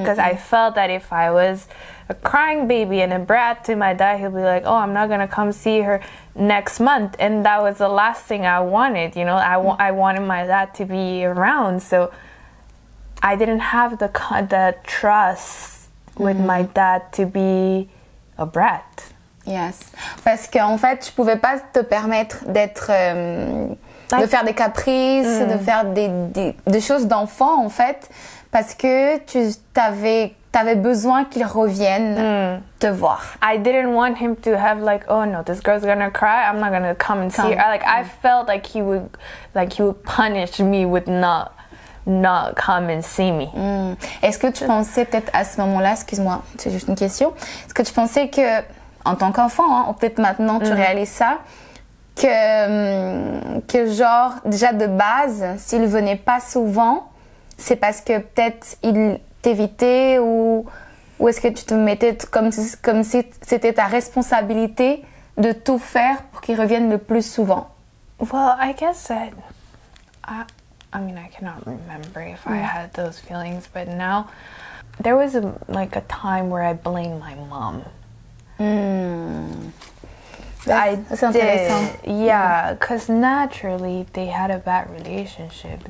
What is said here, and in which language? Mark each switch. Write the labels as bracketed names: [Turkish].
[English] Because I felt that if I was a crying baby and a brat to my dad, he'll be like, oh, I'm not gonna come see her next month. And that was the last thing I wanted, you know? I wanted my dad to be around, so I didn't have the trust with my dad to be a brat. Yes. [French] Parce qu'en fait, tu pouvais pas te permettre d'être, de faire des caprices, de faire des choses d'enfant, en fait, parce que tu t'avais besoin qu'il revienne te voir. [English] I didn't want him to have like, oh no, this girl's gonna cry, I'm not gonna come and see her. Like, I felt like he would punish me with not come and see me. [French] Est-ce que tu pensais peut-être à ce moment-là, excuse-moi, c'est juste une question, est-ce que tu pensais que, en tant qu'enfant, hein, peut-être maintenant tu réalises ça, que genre, déjà de base, s'il venait pas souvent, c'est parce que peut-être il t'évitait, ou est-ce que tu te mettais comme si c'était ta responsabilité de tout faire pour qu'il revienne le plus souvent? [English] Well, I guess that... I mean, I cannot remember if I had those feelings, but now there was a time where I blamed my mom. That's interesting. Yeah, because naturally they had a bad relationship.